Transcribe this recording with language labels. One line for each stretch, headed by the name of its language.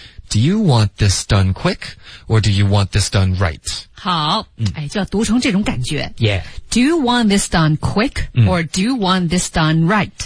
English: Do you want this done quick or do you want this done right?
Chinese: 好，哎，就要读成这种感觉。
English: Yeah. Do you want this done quick or do you want this done right?